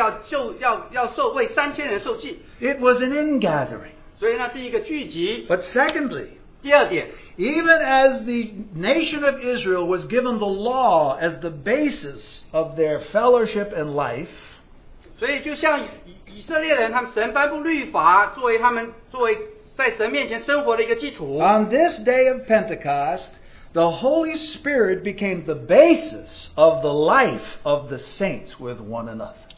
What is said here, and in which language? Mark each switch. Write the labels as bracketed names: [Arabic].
[English] It was an ingathering. But secondly, even as the nation of Israel was given the law as the basis of their fellowship and life, [Chinese] 所以就像以色列人他们神颁布律法作为他们作为在神面前生活的一个基础, [English] on this day of Pentecost, the Holy Spirit became the basis of the life of the saints with one another.